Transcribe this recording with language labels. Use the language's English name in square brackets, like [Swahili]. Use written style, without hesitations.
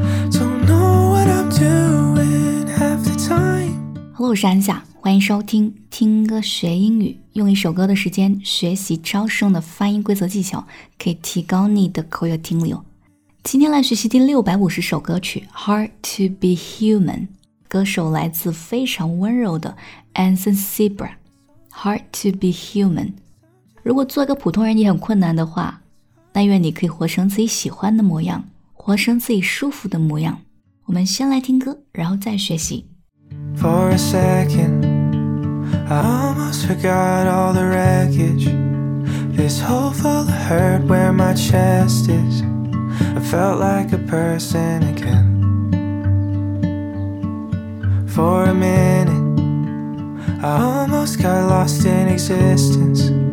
[English] Don't know what I'm doing half the time. [Chinese] Hello, 我是安夏，欢迎收听听歌学英语，用一首歌的时间学习超实用的发音规则技巧，可以提高你的口语听力哦。今天来学习第650首歌曲 Hard to be human， 歌手来自非常温柔的 Anson Seabra。 Hard to be human， 如果做一个普通人也很困难的话，但愿你可以活成自己喜欢的模样，活成自己舒服的模样。我们先来听歌，然后再学习。 [English] For a second I almost forgot all the wreckage. This hole full of hurt where my chest isFelt like a person again. For a minute, I almost got lost in existence.